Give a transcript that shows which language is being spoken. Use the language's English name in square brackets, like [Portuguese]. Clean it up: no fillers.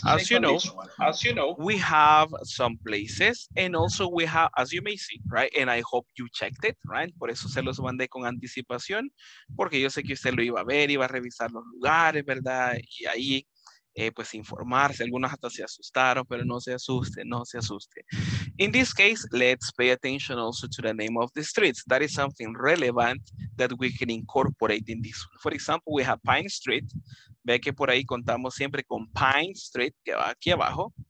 [English] As you know, we have some places and also we have, as you may see, right? And I hope you checked it, right? [Spanish] Por eso se los mandé con anticipación, porque yo sé que usted lo iba a ver, iba a revisar los lugares, ¿verdad? Y ahí pues informarse. Algunos hasta se asustaron, pero no se asuste, no se asuste. [English] In this case, let's pay attention also to the name of the streets. That is something relevant that we can incorporate in this one. For example, we have Pine Street. [Spanish] Ve que por ahí contamos siempre con Pine Street, que va aquí abajo.